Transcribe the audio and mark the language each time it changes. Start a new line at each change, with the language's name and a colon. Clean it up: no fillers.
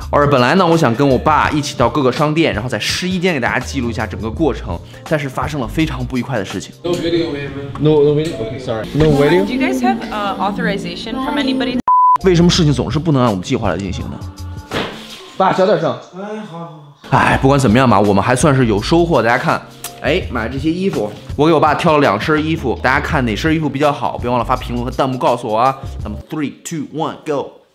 Chinese: 本来呢，我想跟我爸一起到各个商店，然后在试衣间给大家记录一下整个过程，但是发生了非常不愉快的事情。
English: No video, man. No video. Okay, sorry. No video. Do you guys have authorization from anybody?
Chinese: 为什么事情总是不能按我们计划来进行呢？爸，小点声。哎，好。哎，不管怎么样吧，我们还算是有收获。大家看，哎，买这些衣服，我给我爸挑了两身衣服，大家看哪身衣服比较好，别忘了发评论和弹幕告诉我啊。咱们 3, 2, 1 go.